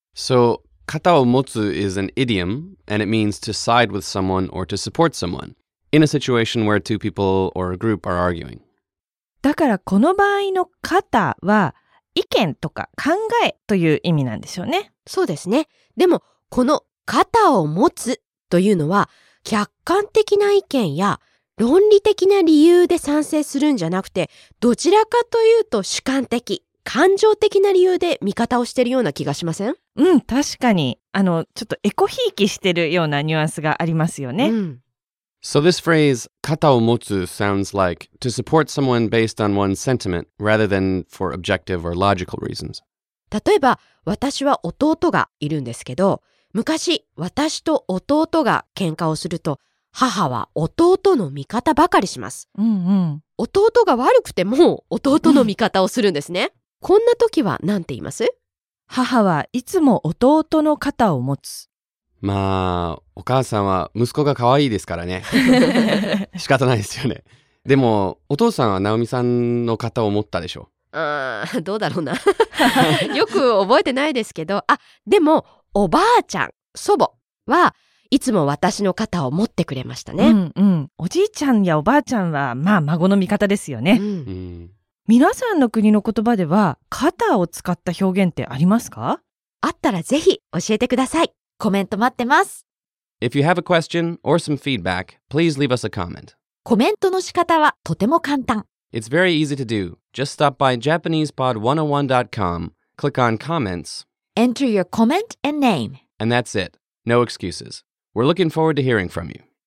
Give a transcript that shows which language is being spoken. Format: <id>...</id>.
<en>So, 肩を持つ is an idiom, and it means to side with someone or to support someone, in a situation where two people or a group are arguing.</en> <ja>だからこの場合の肩は、意見とか考えという意味なんでしょうね。そうですね。でも、この肩を持つというのは、客観的な意見や論理的な理由で賛成するんじゃなくて、どちらかというと主観的、感情的な理由で味方をしているような気がしません？うん、確かに。ちょっとエコひいきしてるようなニュアンスがありますよね。うん。</ja> <en>So this phrase, 肩を持つ sounds like to support someone based on one's sentiment rather than for objective or logical reasons.</en> <ja>例えば、私は弟がいるんですけど、昔私と弟が喧嘩をすると、母は弟の味方ばかりします。うんうん。弟が悪くても弟の味方をするんですね。こんな時は何て言います？母はいつも弟の肩を持つ。まあ、お母さんは息子が可愛いですからね。仕方ないですよね。でも、お父さんはナオミさんの肩を持ったでしょう。どうだろうな。よく覚えてないですけど、あ、でも、おばあちゃん、祖母は、いつも私の肩を持ってくれましたね。うんうん。おじいちゃんやおばあちゃんは、まあ、孫の味方ですよね。うん。皆さんの国の言葉では、肩を使った表現ってありますか？あったらぜひ教えてください。コメント待ってます。</ja> <en>If you have a question or some feedback, please leave us a comment.</en> <ja>コメントの仕方はとても簡単。</ja> <en>It's very easy to do. Just stop by JapanesePod101.com, click on comments, enter your comment and name. And that's it. No excuses. We're looking forward to hearing from you.</en>